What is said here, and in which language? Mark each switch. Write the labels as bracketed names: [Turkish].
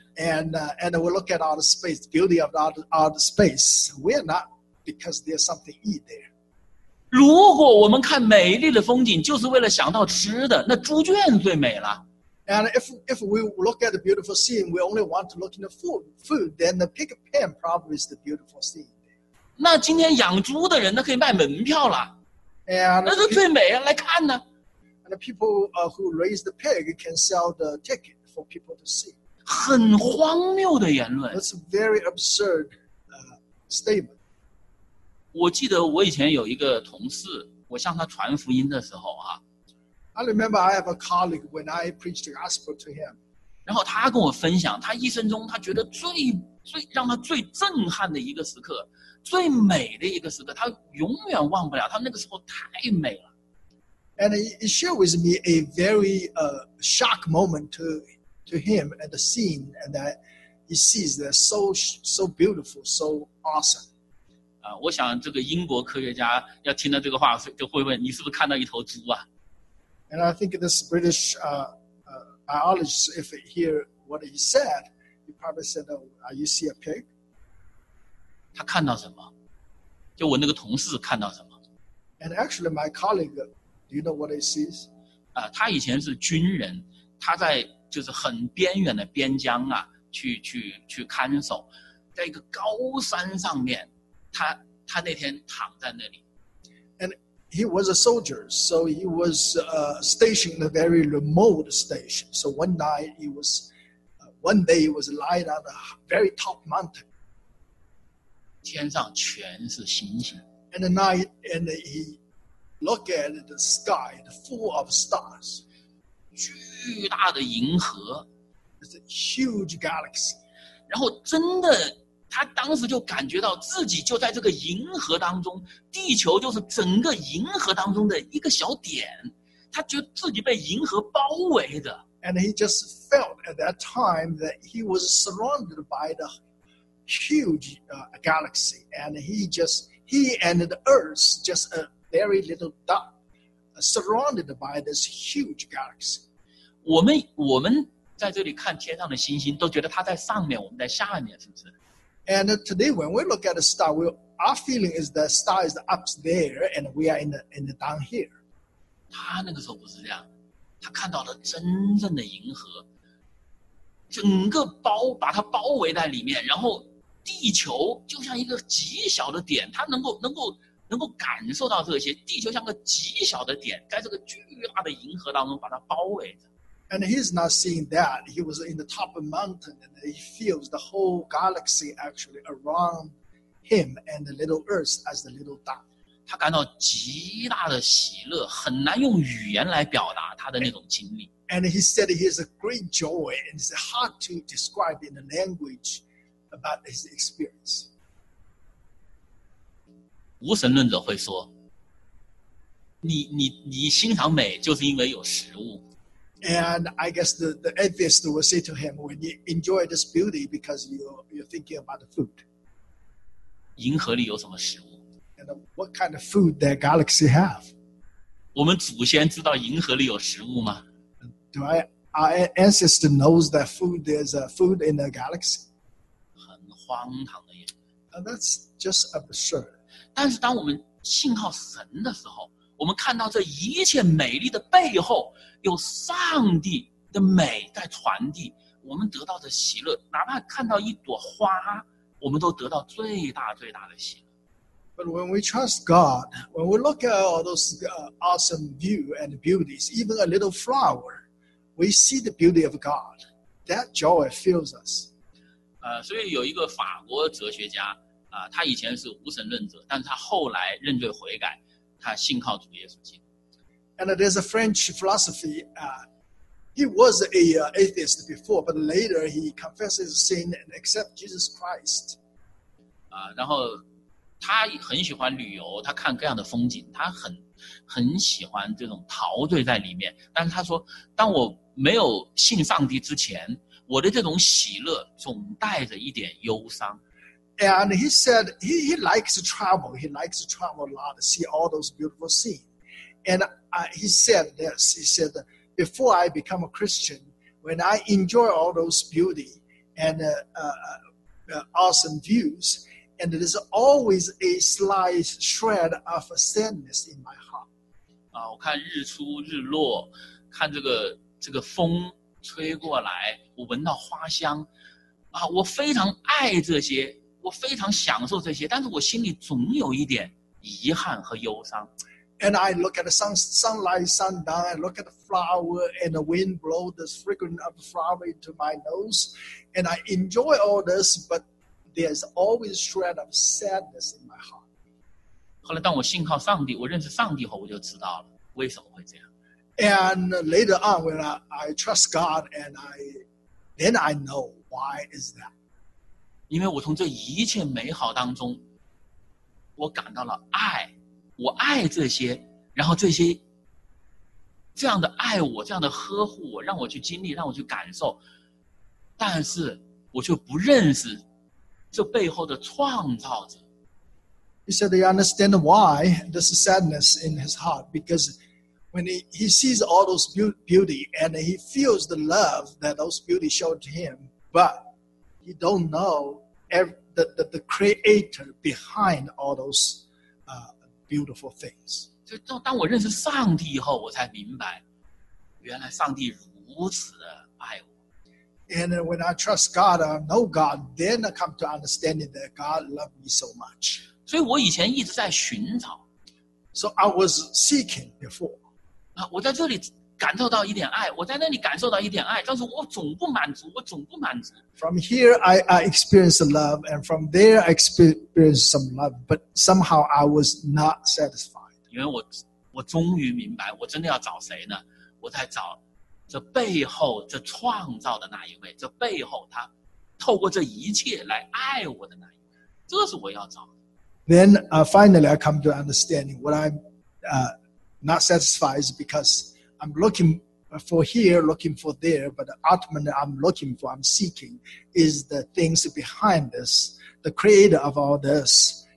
[English] And we look at all the space, the beauty of all the space. We are not because there's something to eat there. [Chinese] 如果我们看美丽的风景，就是为了想到吃的，那猪圈最美了。 [English] And if we look at the beautiful scene, we only want to look at the food, then the pig pen probably is the beautiful scene. [Chinese] 那今天养猪的人，那可以卖门票了。 [English] And [Chinese] 那是最美啊，来看呢。 [English] And the people who raise the pig can sell the ticket for people to see. [Chinese] 很荒谬的言论。 [English] That's a very absurd statement. [Chinese] 我记得我以前有一个同事，我向他传福音的时候啊。 [English] I remember I have a colleague when I preached the gospel to him. [Chinese] 然后他跟我分享，他一生中他觉得最让他最震撼的一个时刻，最美的一个时刻，他永远忘不了。他那个时候太美了。 [English] And he shared with me a very shock moment to him at the scene and that he sees that so beautiful, so awesome. [Chinese] 我想这个英国科学家要听到这个话就会问你是不是看到一头猪啊。 [English] And I think this British biologist, if he hear what he said, he probably said, oh, you see a pig? [Chinese] 他看到什么？就我那个同事看到什么？ [English] And actually, my colleague, do you know what he sees? [Chinese] 他以前是军人，他在就是很边远的边疆啊，去看守，在一个高山上面，他那天躺在那里。 [English] And he was a soldier, so he was stationed in a very remote station. So one day he was lying on a very top mountain. [Chinese] 天上全是星星。 [English] And the night, and he looked at the sky full of stars. [Chinese] 巨大的银河 [English] ，It's a huge galaxy. [Chinese] 然后真的，他当时就感觉到自己就在这个银河当中，地球就是整个银河当中的一个小点，他觉得自己被银河包围的。 [English] And he just felt at that time that he was surrounded by the huge galaxy, and he just He and the earth, just a very little dot, surrounded by this huge galaxy. [Chinese] 我们在这里看天上的星星，都觉得它在上面，我们在下面，是不是？ [English] And today, when we look at a star, our feeling is that star is up there, and we are in the down here. [Chinese] 他那个时候不是这样，他看到了真正的银河，整个包把它包围在里面，然后地球就像一个极小的点，他能够感受到这些，地球像个极小的点，在这个巨大的银河当中把它包围着。 [English] And he's not seeing that. He was in the top of a mountain and he feels the whole galaxy actually around him and the little earth as the little dot. [Chinese] 他感到极大的喜乐，很难用语言来表达他的那种经历。 [English] And he said he has a great joy and it's hard to describe in the language about his experience. [Chinese] 无神论者会说，你欣赏美就是因为有食物。 [English] And I guess the atheist will say to him, when you enjoy this beauty because you're thinking about the food. [Chinese] 银河里有什么食物？ [English] And what kind of food that galaxy have? [Chinese] 我们祖先知道银河里有食物吗？ [English] Do our ancestor knows that food, there's a food in the galaxy? [Chinese] 很荒唐的言论。 [English] And that's just absurd. [Chinese] 但是当我们信靠神的时候，我们看到这一切美丽的背后有上帝的美在传递，我们得到的喜乐，哪怕看到一朵花，我们都得到最大最大的喜乐。 [English] But when we trust God, when we look at all those awesome view and beauties, even a little flower, we see the beauty of God. That joy fills us. [Chinese] 所以有一个法国哲学家，他以前是无神论者，但是他后来认罪悔改，他信靠主耶稣基督。 [English] And there's a French philosophy. He was an atheist before, but later he confesses sin and accepts Jesus Christ. [Chinese] 然后他很喜欢旅游，他看各样的风景，他很喜欢这种陶醉在里面。但是他说，当我没有信上帝之前，我的这种喜乐总带着一点忧伤。 [English] And he said he likes to travel. He likes to travel a lot to see all those beautiful scenes. And he said this, he said, before I become a Christian, when I enjoy all those beauty and awesome views, and there's always a slight shred of sadness in my heart. [Chinese] 我看日出日落，看这个风吹过来，我闻到花香，我非常爱这些，我非常享受这些，但是我心里总有一点遗憾和忧伤。 [English] And I look at the sunlight, sundown, I look at the flower, and the wind blow the fragrance of the flower into my nose. And I enjoy all this, but there's always a shred of sadness in my heart. [Chinese] 后来当我信靠上帝，我认识上帝后，我就知道了为什么会这样。 [English] And later on, when I trust God, and then I know why is that. [Chinese] 因为我从这一切美好当中，我感到了爱。我爱这些，然后这些这样的爱我，这样的呵护我，让我去经历，让我去感受，但是我就不认识这背后的创造者。 [English] He said he understand why this sadness in his heart, because when he sees all those beauty and he feels the love that those beauty showed to him, but he don't know the creator behind all those beautiful things. [Chinese] 就当我认识上帝以后，我才明白，原来上帝如此的爱我。 [English] And when I trust God, I know God, then I come to understanding that God loved me so much. [Chinese] 所以我以前一直在寻找。 [English] So I was seeking before. [Chinese] 我在这里感受到一点爱，我在那里感受到一点爱，但是我总不满足，我总不满足。 [English] From here, I experienced love, and from there, I experienced some love, but somehow I was not satisfied. [Chinese] 因为我终于明白，我真的要找谁呢？我在找这背后这创造的那一位，这背后他透过这一切来爱我的那一位，这是我要找的。 [English] Then finally, I come to understanding what I'm not satisfied is because. I'm looking for here, looking for there, but the ultimate I'm looking for, I'm seeking, is the things behind this, the creator of all this,